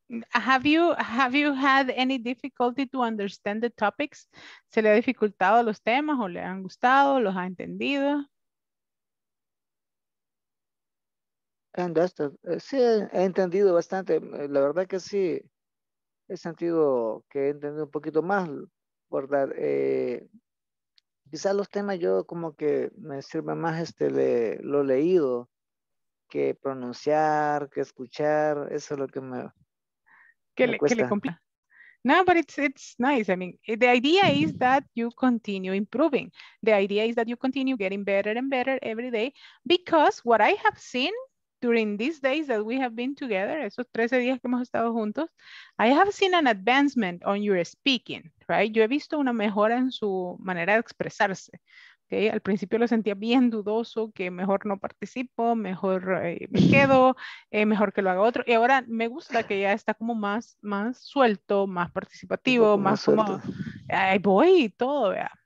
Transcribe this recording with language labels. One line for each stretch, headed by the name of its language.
English: Have you had any difficulty to understand the topics?
Spanish: ¿Se le ha dificultado los temas o le han gustado, los ha entendido?
English: And that's the,
Spanish: sí, he entendido bastante. La verdad que sí, he sentido que he entendido un poquito más, ¿verdad? Quizás los temas yo como que me sirve más lo leído que pronunciar, que escuchar. Eso es lo que me...
English: No, but it's nice. I mean, the idea is that you continue improving. The idea is that you continue getting better and better every day, because what I have seen during these days that we have been together,
Spanish: esos 13 días que hemos estado juntos,
English: I have seen an advancement on your speaking, right?
Spanish: Yo he visto una mejora en su manera de expresarse. Okay. Al principio lo sentía bien dudoso, que mejor no participo, mejor me quedo, mejor que lo haga otro. Y ahora me gusta que ya está como más suelto, más participativo, más como, ahí voy y todo, ¿vea?